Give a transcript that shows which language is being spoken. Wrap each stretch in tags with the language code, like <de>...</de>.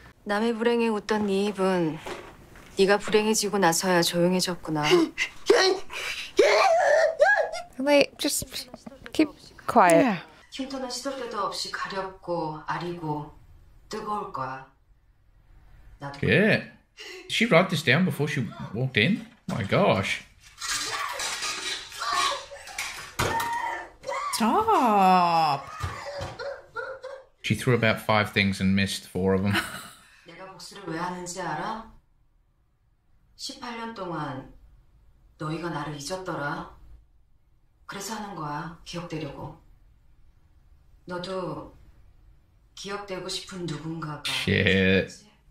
<ko>남의 불행에 웃던 네 입은 네가 불행해지고 나서야 조용해졌구나.</ko> <en>Like, just keep quiet. Yeah.</en> <ko>힌터는 시도 때도 없이 가렵고 아리고 뜨거울 거야. 나도.</ko> <en>Yeah. She wrote this down before she walked in. My gosh. Stop. She threw about 5 things and missed 4 of them.</en> <ko>복수를 왜 하는지 알아? 18년 동안 너희가 나를 잊었더라. 그래서 하는 거야, 기억되려고. 너도 기억되고 싶은 누군가가.</ko> <en>Shit.</en>